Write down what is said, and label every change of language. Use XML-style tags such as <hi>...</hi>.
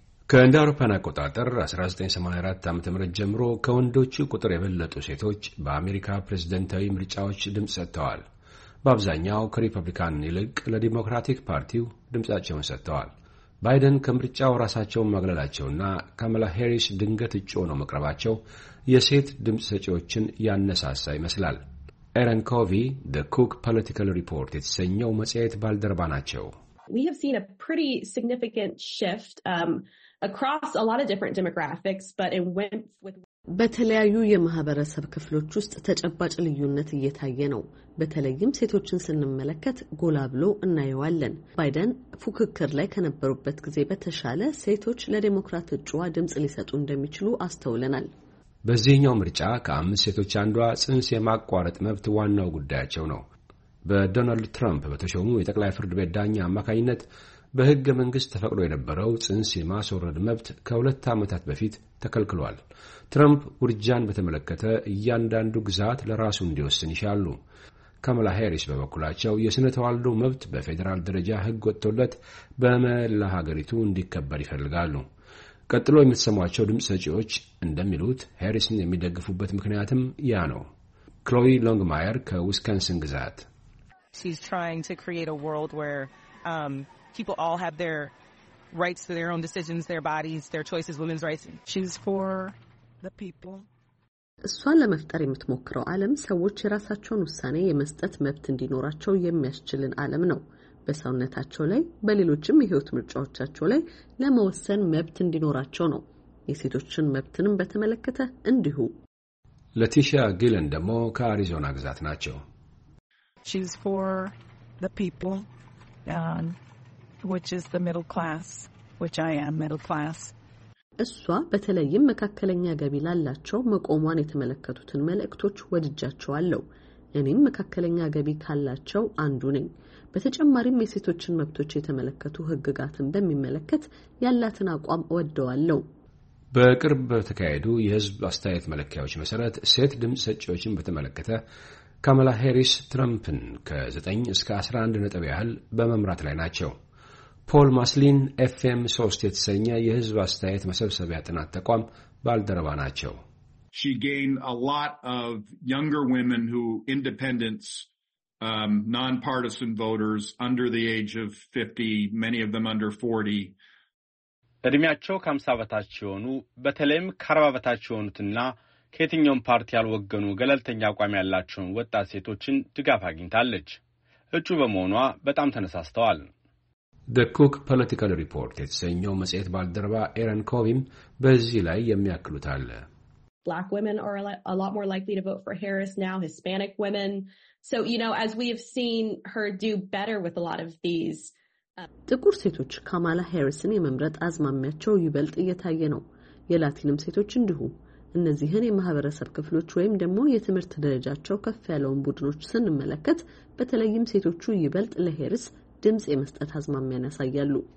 <am>ከእንደ አውሮፓውያን አቆጣጠር 1984 ዓ.ም ጀምሮ ከወንዶች ቁጥር የበለጡ ሴቶች በአሜሪካ ፕሬዝደንታዊ ምርጫዎች ድምጽ ሰጥተዋል። በአብዛኛው ከሪፐብሊካን ይልቅ ለዲሞክራቲክ ፓርቲው ድምጻቸውን ሰጥተዋል። ባይደን ከምርጫው ራሳቸውን ማግለላቸውና ካማላ ሃሪስ ድንገት እጩ ሆነው መቅረባቸው የሴት ድምጽ ሰጪዎችን ያነሳሳ ይመስላል። ኤረን ኮቪ ዘ ኩክ ፖለቲካል ሪፖርት የተሰኘው መጽሔት ባልደረባ ናቸው።</am> <en>We have seen a pretty significant shift across a lot of different demographics, but it went with</en> <am>በተለያዩ የማህበረሰብ ክፍሎች ውስጥ ተጨባጭ ልዩነት እየታየ ነው። በተለይም ሴቶችን ስንመለከት ጎላ ብሎ እናየዋለን። ባይደን ፉክክር ላይ ከነበሩበት ጊዜ በተሻለ ሴቶች ለዲሞክራት እጩ ድምጽ ሊሰጡ እንደሚችሉ አስተውለናል። በዚህኛው ምርጫ ከአምስት ሴቶች አንዷ ጽንስ የማቋረጥ መብት ዋናው ጉዳያቸው ነው። በዶናልድ ትራምፕ በተሾሙ የጠቅላይ ፍርድ ቤት ዳኛ አማካኝነት በሕገ መንግሥት ተፈቅዶ የነበረው ጽንስ የማስወረድ መብት ከሁለት ዓመታት በፊት ተከልክሏል። ትራምፕ ውርጃን በተመለከተ እያንዳንዱ ግዛት ለራሱ እንዲወስን ይሻሉ። ካማላ ሃሪስ በበኩላቸው የሥነ ተዋልዶ መብት በፌዴራል ደረጃ ሕግ ወጥቶለት በመላ ሀገሪቱ እንዲከበር ይፈልጋሉ። ቀጥሎ የምትሰሟቸው ድምፅ ሰጪዎች እንደሚሉት ሃሪስን የሚደግፉበት ምክንያትም ያ ነው። ክሎይ ሎንግማየር ከዊስካንስን ግዛት</am> <en>people all have their rights to their own decisions, their bodies, their choices, women's rights. She's for the people.</en> <am>እሷን ለመፍጠር የምትሞክረው ዓለም ሰዎች የራሳቸውን ውሳኔ የመስጠት መብት እንዲኖራቸው የሚያስችልን ዓለም ነው። በሰውነታቸው ላይ በሌሎችም የህይወት ምርጫዎቻቸው ላይ ለመወሰን መብት እንዲኖራቸው ነው። የሴቶችን መብትንም በተመለከተ እንዲሁ። ለቲሻ ጊለን ደግሞ ከአሪዞና ግዛት ናቸው።</am> <en>She's for the people. Which is the middle class, which I am middle class.</en> <am>እሷ በተለይም መካከለኛ ገቢ ላላቸው መቆሟን የተመለከቱትን መልእክቶች ወድጃቸዋለሁ። እኔም መካከለኛ ገቢ ካላቸው አንዱ ነኝ። በተጨማሪም የሴቶችን መብቶች የተመለከቱ ህግጋትን በሚመለከት ያላትን አቋም ወደዋለሁ። በቅርብ ተካሄዱ የህዝብ አስተያየት መለኪያዎች መሰረት ሴት ድምጽ ሰጪዎችን በተመለከተ ካማላ ሃሪስ ትራምፕን ከ9 እስከ 11 ነጥብ ያህል በመምራት ላይ ናቸው። ፖል ማስሊን ኤፍኤም 3 የተሰኘ የህዝብ አስተያየት መሰብሰቢያ ጥናት ተቋም ባልደረባ ናቸው።</am> <en>She gained a lot of younger women who independents non-partisan voters under the age of 50, many of them under 40.</en> <am>እድሜያቸው ከ50 በታች የሆኑ በተለይም ከ40 በታች የሆኑትና ከየትኛውም ፓርቲ ያልወገኑ ገለልተኛ አቋም ያላቸውን ወጣት ሴቶችን ድጋፍ አግኝታለች። እጩ በመሆኗ በጣም ተነሳስተዋል። The Cook Political Report የተሰኘው መጽሔት ባልደረባ ኤረን ኮቪም በዚህ ላይ የሚያክሉት አለ።</am> <en>Black women are a lot more likely to vote for Harris now, Hispanic women. So, you know, as we have seen her do better with a lot of these</en> <am>ጥቁር ሴቶች ካማላ ሃሪስን የመምረጥ አዝማሚያቸው ይበልጥ እየታየ ነው። የላቲንም ሴቶች እንዲሁ። እነዚህን የማህበረሰብ ክፍሎች ወይም ደግሞ የትምህርት ደረጃቸው ከፍ ያለውን ቡድኖች ስንመለከት በተለይም ሴቶቹ ይበልጥ ለሃሪስ ድምጽ የመስጠት አዝማሚያ ያሳያሉ።</am>